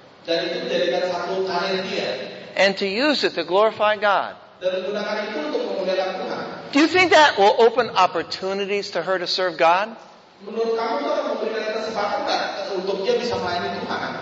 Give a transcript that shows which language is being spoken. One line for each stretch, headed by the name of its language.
Indonesian: Dan itu menjadikan satu karir dia.
English: And to use it to glorify God.
Indonesian: Dan menggunakan itu untuk memuliakan Tuhan.
English: Do you think that will open opportunities to her to serve God?
Indonesian: Menurut kamu itu akan memberikan kesempatan enggak untuk dia bisa melayani Tuhan?